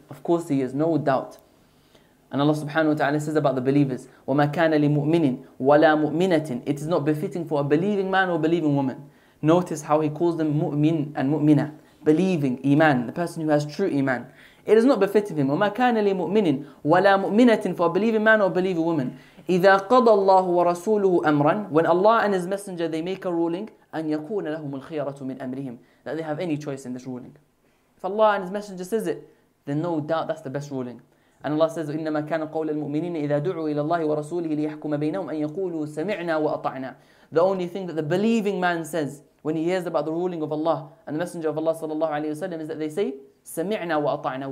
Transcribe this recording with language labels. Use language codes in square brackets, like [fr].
[en] Of course he is, no doubt. And Allah subhanahu wa ta'ala says about the believers, [ar] وَمَا كَانَ لِمُؤْمِنٍ وَلَا مُؤْمِنَةٍ. [en] It is not befitting for a believing man or a believing woman. Notice how he calls them mu'min and mu'mina. Believing, iman, the person who has true iman. It is not befitting him. [ar] وَمَا كَانَ لِمُؤْمِنٍ وَلَا مُؤْمِنَةٍ. [en] For a believing man or a believing woman. [ar] إِذَا قَضَى اللَّهُ وَرَسُولُهُ أَمْرًا. [en] When Allah and His Messenger, they make a ruling, [ar] أَنْ يَكُونَ لَهُمُ الْخِيَرَةُ مِنْ أَمْرِهِمْ. [en] That they have any choice in this ruling. If Allah and His Messenger says it, then no doubt that's the best ruling. And Allah says, [ar] إِنَّمَا كَانَ قَوْلَ الْمُؤْمِنِينَ إِذَا دُعُوا إِلَى اللَّهِ وَرَسُولِهِ لِيَحْكُمَ بَيْنَهُمْ أَنْ يَقُولُوا سَمِعْنَا وَأَطَعْنَا. [en] The only thing that the believing man says when he hears about the ruling of Allah and the Messenger of Allah sallallahu alayhi wasallam is that they say, [ar] سَمِعْنَا وَأَطَعْنَا.